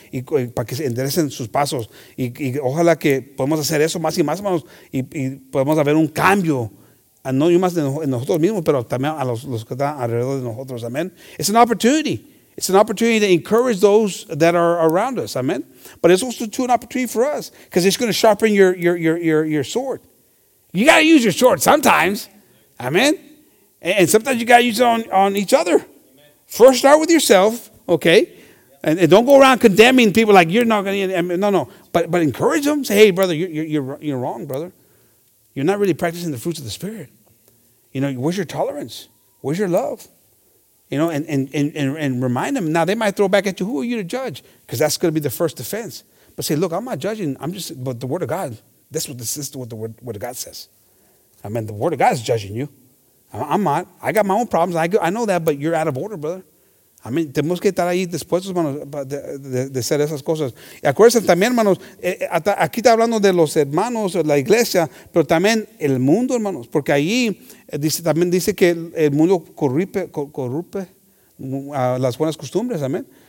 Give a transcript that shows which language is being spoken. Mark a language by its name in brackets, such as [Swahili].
[Spanish] Y para que se enderecen sus pasos. Y ojalá que podamos hacer eso más y más, hermanos, y podemos haber un cambio. No yo más en nosotros mismos, pero también a los que están alrededor de nosotros. [English] Amén. It's an opportunity. It's an opportunity to encourage those that are around us. Amen. But it's also too an opportunity for us because it's going to sharpen your sword. You got to use your sword sometimes. Amen. And sometimes you got to use it on each other. First, start with yourself. Okay. And don't go around condemning people like you're not going to. No. But encourage them. Say, hey, brother, you're wrong, brother. You're not really practicing the fruits of the Spirit. You know, where's your tolerance? Where's your love? You know, and remind them. Now, they might throw back at you, who are you to judge? Because that's going to be the first defense. But say, look, I'm not judging. I'm just, but the Word of God, that's what this is, what the Word of God says. I mean, the Word of God is judging you. I'm not. I got my own problems. I know that, but you're out of order, brother. [Spanish] I mean, tenemos que estar ahí dispuestos, hermanos, de hacer esas cosas. Y acuérdense también, hermanos, aquí está hablando de los hermanos, la iglesia, pero también el mundo, hermanos, porque ahí dice que el mundo corrupe las buenas costumbres, amén.